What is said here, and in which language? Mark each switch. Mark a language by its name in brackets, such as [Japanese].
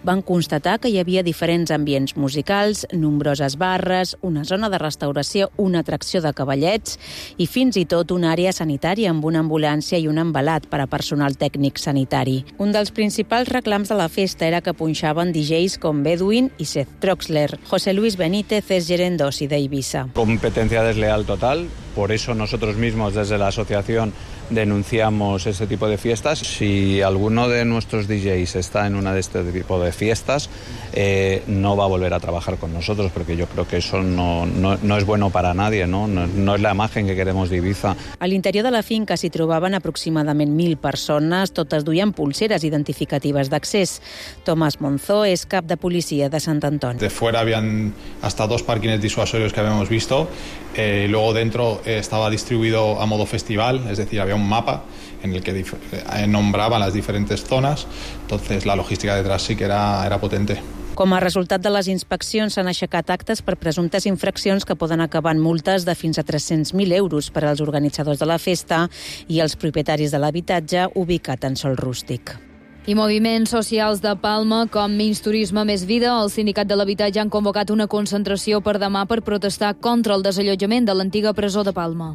[Catalan] Van constatar que hi havia diferents ambients musicals, nombroses barres, una zona de restauració, una atracció de cavallets i fins i tot una àrea sanitària amb una ambulància i un embalat per a personal tècnic sanitari. Un dels principals reclams de la festa era que punxaven DJs com Bedouin i Seth Troxler. José Luis Benítez és gerent d'Oci d'Eivissa. Competència desleal total. [Spanish] Por eso nosotros mismos desde la asociación denunciamos ese tipo de fiestas. Si alguno de nuestros DJs está en una de este tipo de fiestas, no va a volver a trabajar con nosotros, porque yo creo que eso no es bueno para nadie, ¿no? No es la imagen que queremos de Eivissa. [Catalan] A l'interior de la finca s'hi trobaven aproximadament 1.000 persones, totes duien pulseres identificatives d'accés. Tomás Monzó és cap de policia de Sant Antoni. [Spanish] De fuera habían hasta dos parquines disuasorios que habíamos visto. Luego dentro estaba distribuido a modo festival, es decir, había un mapa en el que nombraban las diferentes zonas, entonces la logística detrás sí que era potente. [Catalan] Com a resultat de les inspeccions, s'han aixecat actes per presumptes infraccions que poden acabar en multes de fins a 300.000 euros per als organitzadors de la festa i els propietaris de l'habitatge ubicat en sòl rústic. I moviments socials de Palma, com Menys Turisme, Més Vida, el Sindicat de l'Habitatge han convocat una concentració per demà per protestar contra el desallotjament de l'antiga presó de Palma.